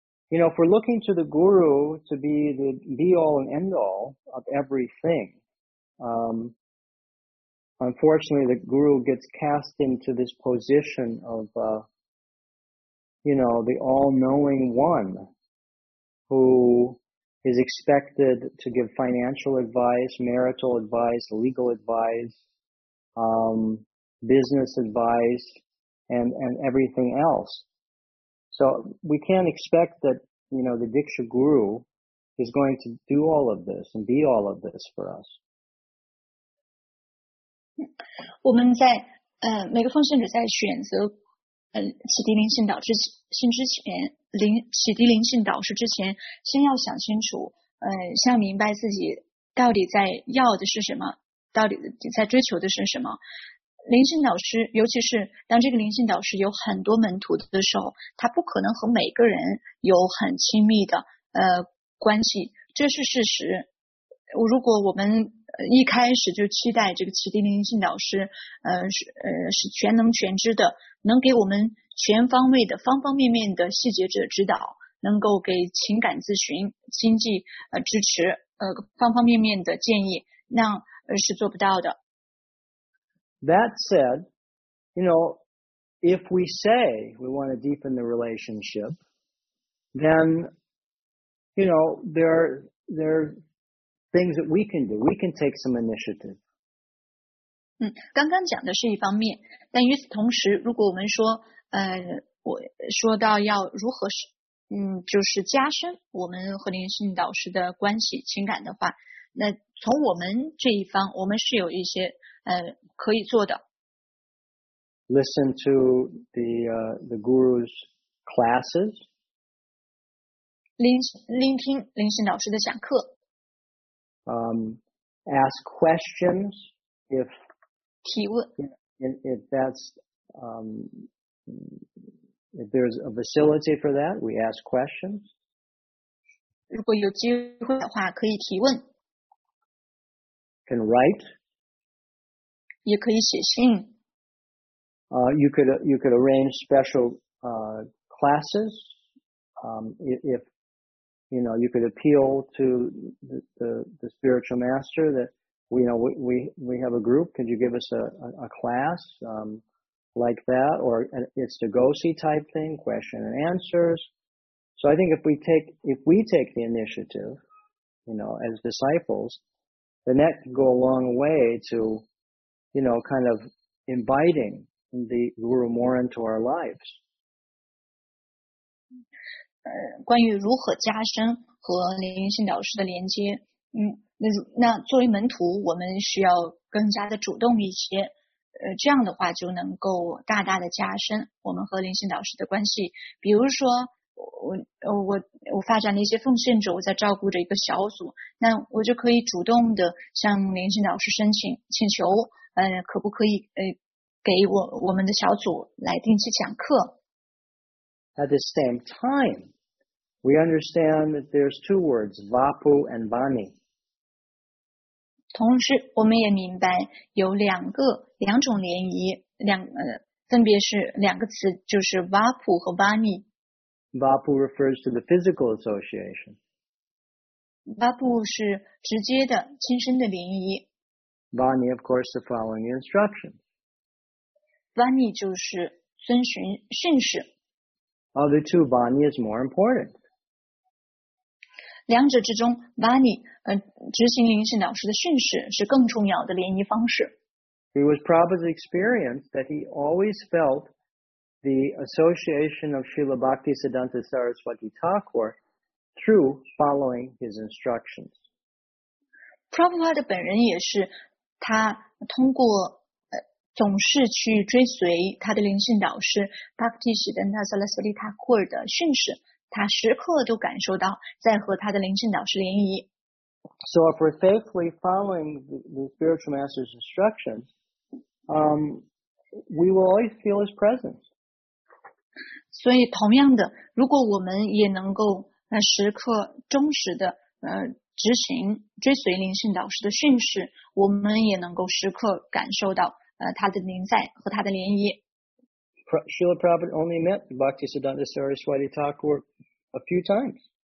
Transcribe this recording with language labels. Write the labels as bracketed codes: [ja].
[en] You know, if we're looking to the guru to be the be-all and end-all of everything, unfortunately, the guru gets cast into this position of, you know, the all-knowing one who is expected to give financial advice, marital advice, legal advice, business advice, and everything else. So we can't expect that, you know, the Diksha guru is going to do all of this and be all of this for us. [zh] 我们在每个奉献者在选择启迪灵性导师信之前，启迪灵性导师之前，先要想清楚，先要明白自己到底在要的是什么，到底在追求的是什么。灵性导师，尤其是当这个灵性导师有很多门徒的时候，他不可能和每个人有很亲密的关系，这是事实。如果我们一开始就期待这个启迪灵性导师是全能全知的，能给我们全方位的方方面面的细节者指导，能够给情感咨询、经济支持方方面面的建议，那是做不到的。 [en] That said, you know, if we say we want to deepen the relationship, then, you know, there are things that we can do. We can take some initiative. [zh] 刚刚讲的是一方面，但与此同时，如果我们说，我说到要如何是，就是加深我们和灵性导师的关系情感的话，那从我们这一方，我们是有一些可以做的。 [en] Listen to the guru's classes. [zh] 聆听灵性导师的讲课。 [en] Ask questions if [zh] 提问 [en] if that's if there's a facility for that, we ask questions. [zh] 如果有机会的话，可以提问。 [en] Can write. [zh] 也可以写信。 [en] You could arrange special classes if you know, you could appeal to the spiritual master that, you know, we have a group. Could you give us a class like that? Or it's the Gosi type thing, question and answers. So I think if we take the initiative, you know, as disciples, then that can go a long way to, you know, kind of inviting the guru more into our lives. [zh] 关于如何加深和灵性导师的连接，那作为门徒，我们需要更加的主动一些，这样的话就能够大大的加深我们和灵性导师的关系。比如说我发展了一些奉献者，我在照顾着一个小组，那我就可以主动的向灵性导师申请请求，可不可以给我们的小组来定期讲课。 [en] At the same time, we understand that there's two words, vapu and vani. [zh] 同时我们也明白有两种联谊，分别是两个词，就是 vapu 和 vani。 [en] Vapu refers to the physical association. [zh] Vapu 是直接的、亲身的联谊。 [en] Vani, of course, the following instruction. [zh] Vani 就是遵循训示。 [en] Other two, Vani is more important. [zh] 两者之中 ，Vani 执行灵性导师的训示是更重要的联谊方式。 [en] It was Prabhupada's experience that he always felt. The association of Srila Bhakti Siddhanta Saraswati Thakur through following his instructions. [zh] Prabhupada 本人也是他通过总是去追随他的灵性导师 Bhakti Siddhanta Saraswati Thakur 的训示，他时刻都感受到在和他的灵性导师联谊。 [en] So if we're faithfully following the spiritual master's instructions, we will always feel his presence. [zh] 所以同样的，如果我们也能够时刻忠实的执行追随灵性导师的训示，我们也能够时刻感受到他的临在和他的联谊。 [en] Srila Prabhupada only met Bhaktisiddhanta Saraswati Thakur a few times.